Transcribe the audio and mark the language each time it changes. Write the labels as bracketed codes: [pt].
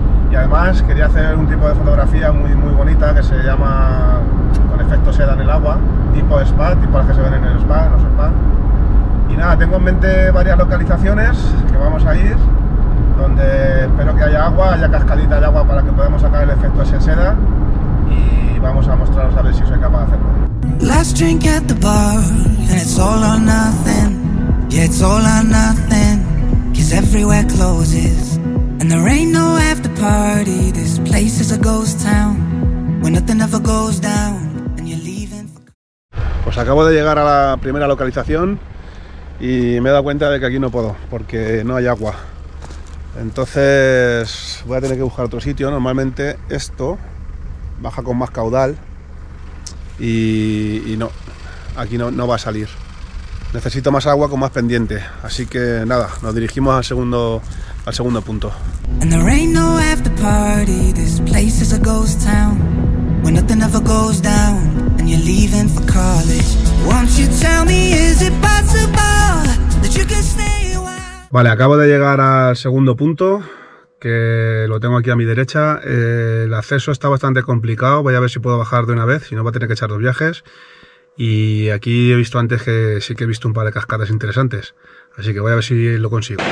[es] Y además quería hacer un tipo de fotografía muy muy bonita que se llama con efecto seda en el agua, tipo spa, tipo las que se ven en el spa, en los spa. Y nada, tengo en mente varias localizaciones que vamos a ir, donde espero que haya agua, haya cascadita de agua para que podamos sacar el efecto ese seda, y vamos a mostraros a ver si soy capaz de hacerlo. [en] Last drink at the bar, and it's all or nothing. Yeah, it's all or nothing, 'cause everywhere closes. And there ain't no after party, this place is a ghost town, where nothing ever goes down, and you're leaving for... [es] Pues acabo de llegar a la primera localización y me he dado cuenta de que aquí no puedo, porque no hay agua. Entonces voy a tener que buscar otro sitio. Normalmente esto baja con más caudal y no, aquí no va a salir. Necesito más agua con más pendiente. Así que nada, nos dirigimos al segundo punto. [en] And there ain't no after party, this place is a ghost town, where nothing ever goes down, and you're leaving for college. Won't you tell me, is it possible that you can stay? [es] Vale, acabo de llegar al segundo punto, que lo tengo aquí a mi derecha. El acceso está bastante complicado, voy a ver si puedo bajar de una vez, si no va a tener que echar dos viajes. Y aquí he visto antes que sí que he visto un par de cascadas interesantes, así que voy a ver si lo consigo.